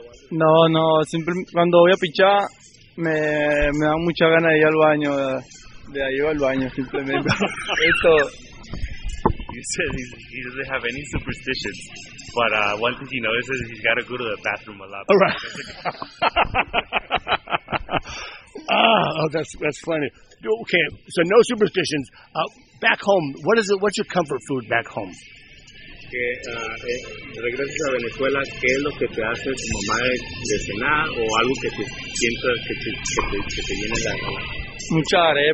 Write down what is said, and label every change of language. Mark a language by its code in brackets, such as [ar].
[es] No, no, siempre cuando voy a pichar me da mucha gana de ir al baño, de ahí va al baño simplemente. Esto. [en] You said he doesn't have any superstitions, but one thing he knows is he's got to go to the bathroom a lot. All right. that's funny. Okay, so no superstitions. Back home, what's your comfort food back home? [es] Que regresas a Venezuela, ¿qué es lo que te hace tu mamá de cenar o algo que te sientas que te viene la cena?